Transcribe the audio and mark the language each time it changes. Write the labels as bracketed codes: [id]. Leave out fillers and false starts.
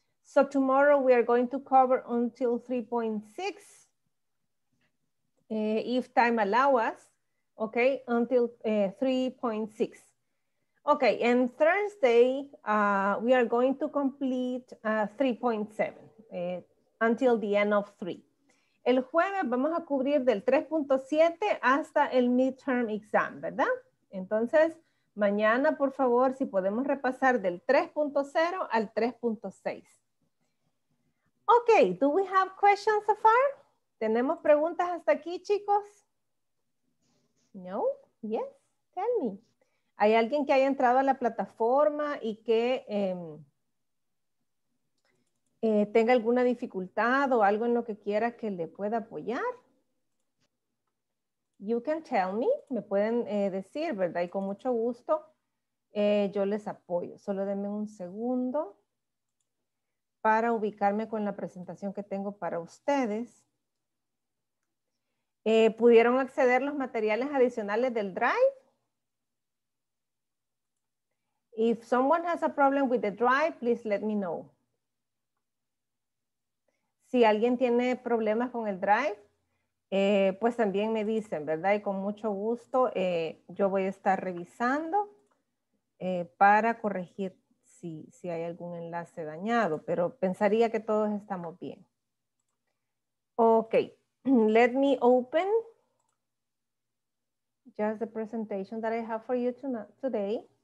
[en] So tomorrow we are going to cover until 3.6, if time allows us, okay, until 3.6. Okay, and Thursday, we are going to complete 3.7, until the end of 3. [es] El jueves vamos a cubrir del 3.7 hasta el midterm exam, ¿verdad? Entonces, mañana, por favor, si podemos repasar del 3.0 al 3.6. [en] Okay, do we have questions so far? [es] ¿Tenemos preguntas hasta aquí, chicos? No? [en] Yes? Tell me. [es] ¿Hay alguien que haya entrado a la plataforma y que tenga alguna dificultad o algo en lo que quiera que le pueda apoyar? [en] You can tell me. [es] Me pueden decir, ¿verdad? Y con mucho gusto yo les apoyo. Solo denme un segundo para ubicarme con la presentación que tengo para ustedes. ¿Pudieron acceder los materiales adicionales del Drive? [en] If someone has a problem with the Drive, please let me know. [es] Si alguien tiene problemas con el Drive, pues también me dicen, ¿verdad? Y con mucho gusto yo voy a estar revisando para corregir. Si hay algún enlace dañado, pero pensaría que todos estamos bien. [en] Ok, let me open just the presentation that I have for you today.